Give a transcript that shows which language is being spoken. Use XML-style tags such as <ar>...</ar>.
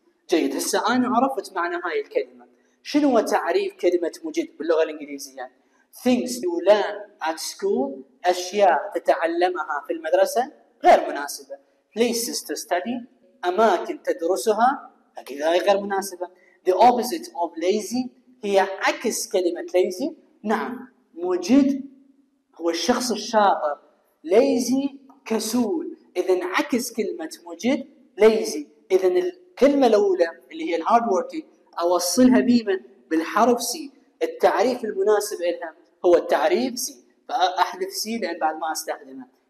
<ar>جيد، هسه أنا عرفت معنى هاي الكلمة. شنو تعريف كلمة مجد باللغة الإنجليزية؟</ar> <en>things you learn at school،</en> <ar>أشياء تتعلمها في المدرسة غير مناسبة.</ar> <en>places to study،</en> <ar>أماكن تدرسها أكيد هاي غير مناسبة.</ar> <en>The opposite of lazy،</en> <ar>هي عكس كلمة</ar> <en>lazy.</en> <ar>نعم، مجد هو الشخص الشاطر، lazy كسول. إذن عكس كلمة مجد lazy. إذن الكلمة الأولى اللي هي hard working أوصلها بيما بالحرف C، التعريف المناسب إلها هو التعريف C، فأحذف C لأن بعد ما أستخدمه.</ar>